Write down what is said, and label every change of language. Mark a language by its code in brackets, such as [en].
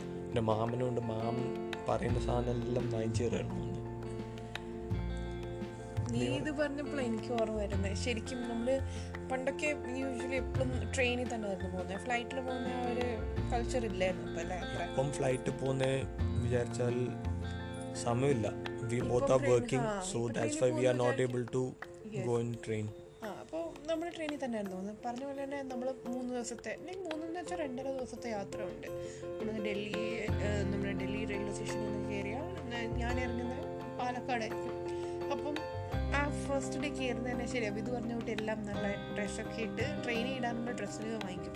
[ml] പിന്നെ മാമനും ഉണ്ട്, മാമൻ പറയുന്ന സാധനം എല്ലാം വാങ്ങിച്ചു തരായിരുന്നു. ഇത് പറഞ്ഞപ്പോഴാണ് എനിക്ക് ഓർമ്മ വരുന്നത്, ശരിക്കും നമ്മള് പണ്ടൊക്കെ യൂഷ്വലി എപ്പോഴും ട്രെയിനിൽ തന്നെ വരുന്നു പോകുന്നത്, ഫ്ലൈറ്റിൽ പോകുന്ന ഒരു കൾച്ചർ ഇല്ലായിരുന്നു. ഇപ്പം ഫ്ലൈറ്റ് പോകുന്ന വിചാരിച്ചാൽ സമയമില്ല. [en] We both are working, so that's why we are not able to go on train. [ml] അപ്പോൾ നമ്മൾ ട്രെയിനിൽ തന്നെയായിരുന്നു പോകുന്നത്. പറഞ്ഞ പോലെ തന്നെ നമ്മൾ 3 ദിവസത്തെ, അല്ലെങ്കിൽ 3 എന്ന് വെച്ചാൽ 2.5 ദിവസത്തെ യാത്ര ഉണ്ട്. ഡൽഹി, നമ്മുടെ ഡൽഹി റെയിൽവേ സ്റ്റേഷനിൽ നിന്ന് കയറിയാൽ ഞാൻ ഇറങ്ങുന്ന പാലക്കാടായിരിക്കും. അപ്പം ആ ഫസ്റ്റ് ഡേ കയറുന്ന തന്നെ ശരി, അപ്പം ഇത് പറഞ്ഞ കൂട്ടി എല്ലാം നല്ല ഡ്രസ്സൊക്കെ ഇട്ട് ട്രെയിനിൽ ഇടാൻ നമ്മൾ ഡ്രസ്സുകൾ വാങ്ങിക്കും.